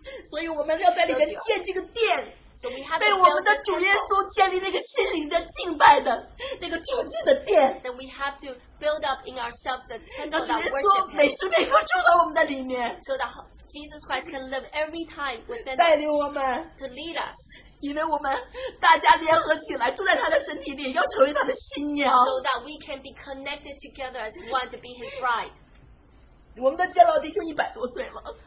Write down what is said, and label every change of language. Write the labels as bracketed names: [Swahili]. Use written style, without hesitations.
[Chinese] 所以我们要在里面建这个殿, [English] so we have [Chinese] 被我们的主耶稣建立那个心灵的敬拜的, 那个纯净的殿, [English] then we have to build up in ourselves the temple that worships him, so that Jesus Christ can live every time within us, [Chinese] 带领我们, [English] to lead us. [Chinese] 因为我们大家联合起来, 住在他的身体里, 要成为他的新娘, [English] so that we can be connected together as one to be his bride. [Chinese] 我们的教老弟兄一百多岁了,